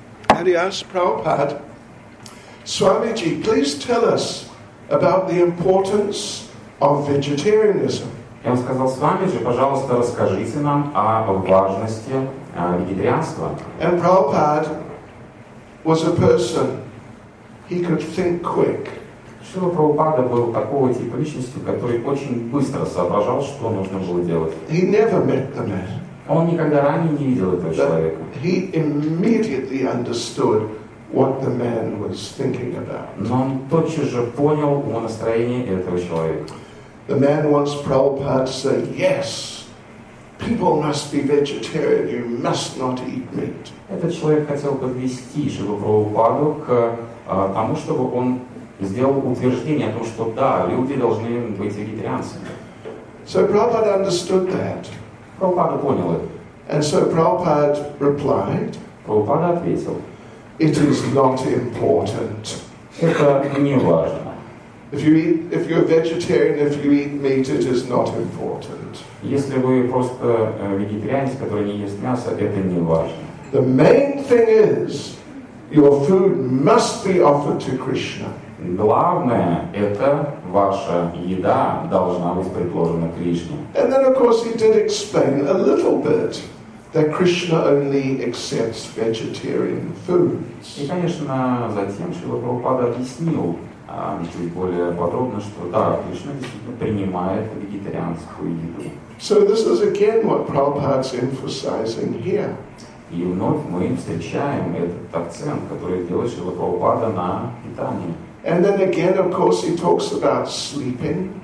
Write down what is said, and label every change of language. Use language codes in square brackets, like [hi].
[en] And he asked Prabhupada, Swamiji, please tell us about the importance of vegetarianism. [ru] И он сказал, Свамиджи, пожалуйста, расскажите нам о важности вегетарианства. [en] And Prabhupada was a person, he could think quick. [ru] Шрила Прабхупада был такого типа личностью, который очень быстро соображал, что нужно было делать. [en] He never met the man. [ru] Он никогда ранее не видел этого человека. [en] He immediately understood what the man was thinking about. [ru] Но он тотчас же понял о настроении этого человека. [en] The man wants Prabhupada to say, yes, people must be vegetarian, you must not eat meat. [ru] Этот человек хотел подвести Шрилу Прабхупаду к тому, чтобы он сделал утверждение о том, что да, люди должны быть вегетарианцами. [en] So Prabhupada understood that. [ru] Прабхупада понял это. [en] And so Prabhupada replied. [ru] Прабхупада ответил. [en] It is not important. [ru] Это не важно. [en] If you're a vegetarian, if you eat meat, it is not important. [ru] Если вы просто вегетарианец, который не ест мясо, это не важно. [en] The main thing is your food must be offered to Krishna. [ru] Главное, это ваша еда должна быть предложена Кришне. [en] And then, of course, he did explain a little bit that Krishna only accepts vegetarian foods. [ru] И, конечно, затем Шрила Прабхупада объяснил чуть более подробно, что да, Кришна действительно принимает вегетарианскую еду. [en] So this is again what Prabhupada's emphasizing here. [ru] И вновь мы встречаем этот акцент, который делает Шрила Прабхупада на питании. [en] And then again, of course, he talks about sleeping.